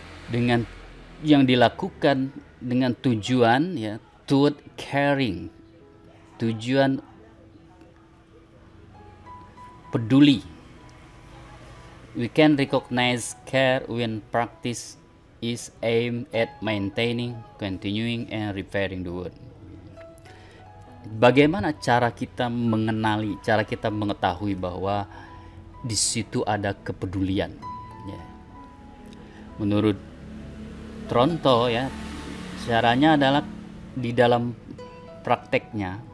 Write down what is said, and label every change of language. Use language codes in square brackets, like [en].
[id] Dengan yang dilakukan dengan tujuan, ya, [en] toward caring, [id] tujuan peduli. [en] We can recognize care when practice is aimed at maintaining, continuing, and repairing the world. [id] Bagaimana cara kita mengenali, cara kita mengetahui bahwa di situ ada kepedulian? Ya. Menurut Tronto, ya, caranya adalah di dalam prakteknya.